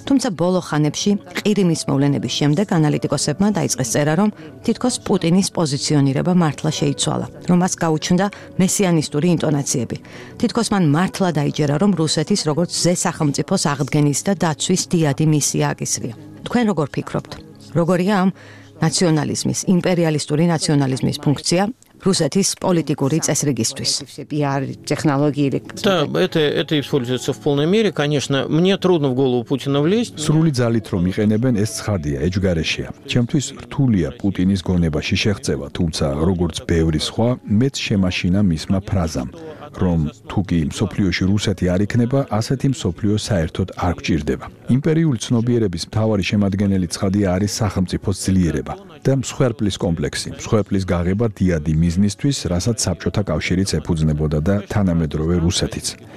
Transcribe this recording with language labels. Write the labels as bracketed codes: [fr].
[ka] თუმცა ბოლო ხანებში ყირიმის მოვლენების შემდეგ ანალიტიკოსებმა დაიწყეს წერა, რომ თითქოს პუტინის პოზიციონირება მართლა შეიცვალა, რომ მას გაუჩნდა მესიანისტური ინტონაციები. თითქოს მან მართლა დაიჯერა, რომ რუსეთის როგორც ზე სახელმწიფოს აღდგენის და დაცვის დიადი მისია აკისრია. თქვენ როგორ ფიქრობთ? როგორია ამ ნაციონალიზმის, იმპერიალისტური ნაციონალიზმის ფუნქცია რუსეთის პოლიტიკური წესრიგისთვის? [ru] Да, это используется в полной мере, конечно. Мне трудно в голову Путина влезть. [ka] Срули залит რომ იყენებენ ეს ცხადია, ეჯგარეშია. ჩემთვის რთულია პუტინის გონებაში შეღწევა, თუმცა როგორც ბევრი სხვა, მეც შემაშინა მისმა ფრაზამ, რომ თუ კი მსოფლიოში რუსეთი არ იქნება, ასეთი მსოფლიო საერთოდ არ გჭირდება. იმპერიული ცნობიერების მთავარი შემადგენელი ცხადია არის სახელმწიფოს ძლიერება და მსხვერპლის კომპლექსი, მსხვერპლის გაღება დიადი მიზნისთვის, რასაც საბჭოთა კავშირიც ეფუძნებოდა და თანამედროვე რუსეთიც.